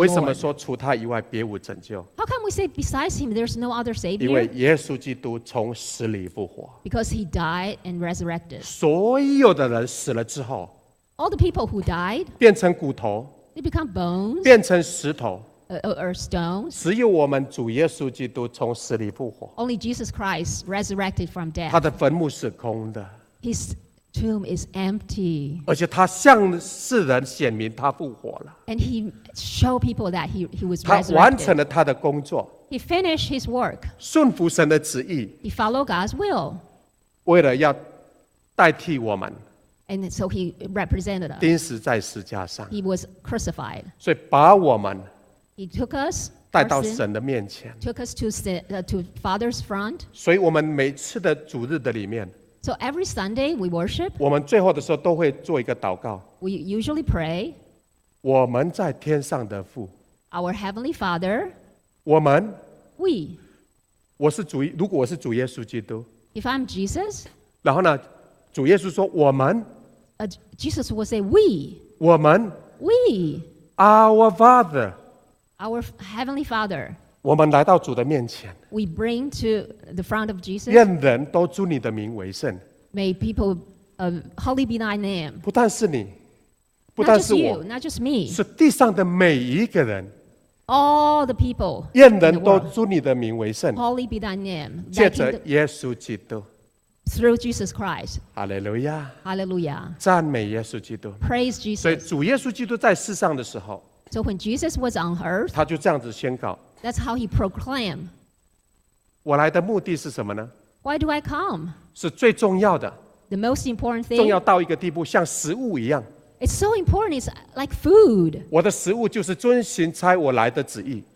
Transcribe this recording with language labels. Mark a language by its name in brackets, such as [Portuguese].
[Chinese] 为什么说除他以外别无拯救？ [English] How come we say besides him there's no other savior? [Chinese] 因为耶稣基督从死里复活。 [English] Because he died and resurrected. [Chinese] 所有的人死了之后， [English] All the people who died [Chinese] 变成骨头， [English] They become bones [Chinese] 变成石头。 [English] Or stone. [Chinese] 只有我们主耶稣基督从死里复活。 [English] Only Jesus Christ resurrected from death. [Chinese] 他的坟墓是空的。 [English] His tomb is empty. [Chinese] 而且他向世人显明他复活了。 [English] And he showed people that he was resurrected. [Chinese] 他完成了他的工作。 [English] He finished his work. [Chinese] 顺服神的旨意。 [English] He followed God's will. [Chinese] 为了要代替我们。 [English] And so he represented us. [Chinese] 钉死在十字架上。 [English] He was crucified. [Chinese] 所以把我们 [English] He took us [Chinese] 带到神的面前 [English] took us to Father's front. [Chinese] 所以我们每次的主日的里面 [English] So every Sunday we worship. [Chinese] 我们最后的时候都会做一个祷告 [English] We usually pray. [Chinese] 我们在天上的父 [English] Our Heavenly Father. [Chinese] 我们 [English] We. [Chinese] 我是主，如果我是主耶稣基督 [English] If I'm Jesus. [Chinese] 然后呢，主耶稣说我们 [English] Jesus will say we. [Chinese] 我们 [English] We. Our Father. Our Heavenly Father, [Chinese] 我们来到主的面前 [English] we bring to the front of Jesus. [Chinese] 愿人都尊你的名为圣 [English] May people holy be thy name. [Chinese] 不但是你，不但是我， [English] not just me. [Chinese] 是地上的每一个人 [English] all the people. [Chinese] 愿人都尊你的名为圣 [English] holy be thy name. [Chinese] 借着耶稣基督 [English] through Jesus Christ. Hallelujah. Hallelujah. [Chinese] 赞美耶稣基督 [English] praise Jesus. [Chinese] 所以主耶稣基督在世上的时候。 [English] So when Jesus was on earth, [Chinese] 他就这样子宣告 [English] That's how he proclaimed. [Chinese] 我来的目的是什么呢？ [English] Why do I come? [Chinese] 是最重要的。 [English] The most important thing. [Chinese] 重要到一个地步，像食物一样。 [English] It's so important. It's like food. [Chinese] 我的食物就是遵循差我来的旨意。